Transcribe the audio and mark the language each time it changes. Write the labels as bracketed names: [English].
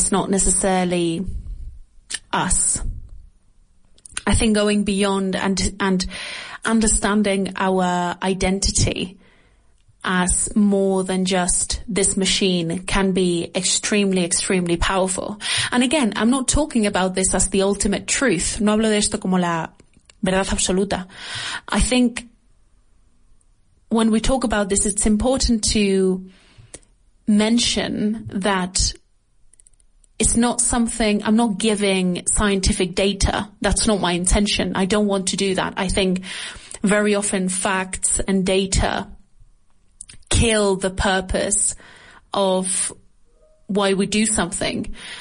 [English] It's not necessarily us. I think going beyond and understanding our identity as more than just this machine can be extremely, extremely powerful. And again, I'm not talking about this as the ultimate truth. [Spanish] No hablo de esto como la verdad absoluta. [English] I think when we talk about this, it's important to mention that it's not something, I'm not giving scientific data. That's not my intention. I don't want to do that. I think very often facts and data kill the purpose of why we do something.